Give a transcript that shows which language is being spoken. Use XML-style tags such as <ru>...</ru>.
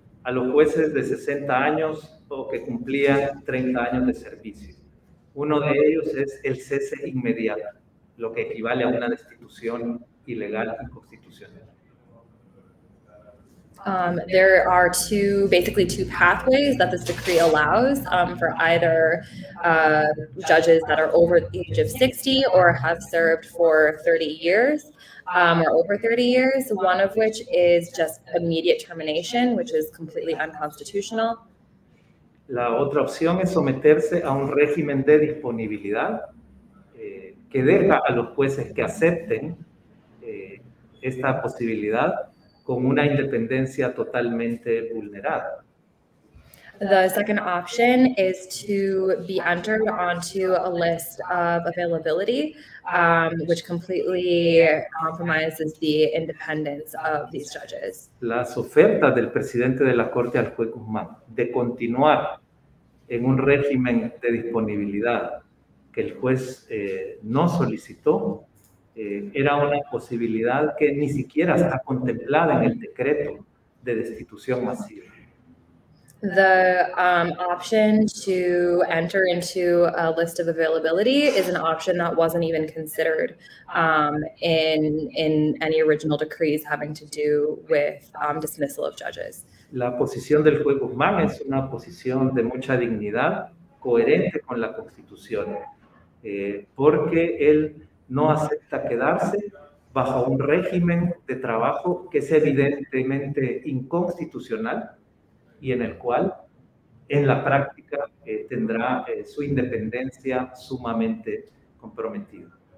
<es>a los jueces de 60 años o que cumplían 30 años de servicio. Uno de ellos es el cese inmediato, lo que equivale a una destitución ilegal y constitucional.</es> <en>There are two, basically two pathways that this decree allows for either judges that are over the age of 60 or have served for 30 years or over 30 years, one of which is just immediate termination, which is completely unconstitutional.</en> <es>La otra opción es someterse a un régimen de disponibilidad que deja a los jueces que acepten esta posibilidad con una independencia totalmente vulnerada.</es> <en>The second option is to be entered onto a list of availability, which completely compromises the independence of these judges.</en> <es>Las ofertas del presidente de la Corte al juez Guzmán de continuar en un régimen de disponibilidad que el juez no solicitó era una posibilidad que ni siquiera está contemplada en el decreto de destitución masiva.</es> <en>The option to enter into a list of availability is an option that wasn't even considered in any original decrees having to do with dismissal of judges.</en> <es>La posición del juez Guzmán es una posición de mucha dignidad, coherente con la Constitución, porque él no acepta quedarse bajo un régimen de trabajo que es evidentemente inconstitucional y en el cual, en la práctica, tendrá su independencia sumamente comprometida.</es>